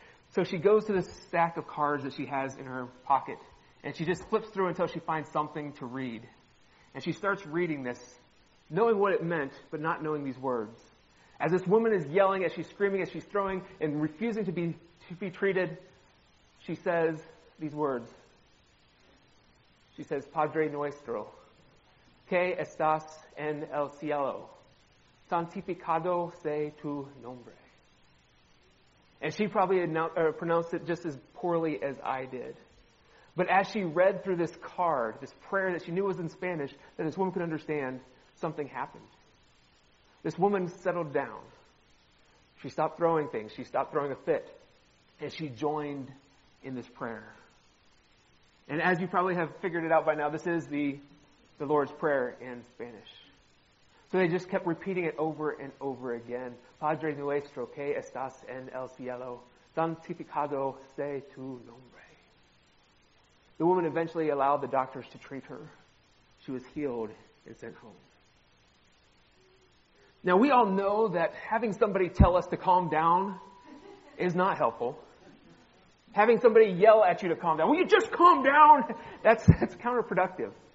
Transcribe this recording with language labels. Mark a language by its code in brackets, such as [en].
[en] So she goes to this stack of cards that she has in her pocket, and she just flips through until she finds something to read. And she starts reading this, knowing what it meant, but not knowing these words. As this woman is yelling, as she's screaming, as she's throwing and refusing to be treated, she says these words. She says, [es] Padre nuestro, que estás en el cielo, santificado sea tu nombre. [en] And she probably pronounced it just as poorly as I did. But as she read through this card, this prayer that she knew was in Spanish, that this woman could understand, something happened. This woman settled down. She stopped throwing things. She stopped throwing a fit. And she joined in this prayer. And as you probably have figured it out by now, this is the Lord's Prayer in Spanish. So they just kept repeating it over and over again. [es] Padre nuestro que estás en el cielo, santificado sea tu nombre. [en] The woman eventually allowed the doctors to treat her. She was healed and sent home. Now, we all know that having somebody tell us to calm down is not helpful. Having somebody yell at you to calm down, will you just calm down? That's counterproductive.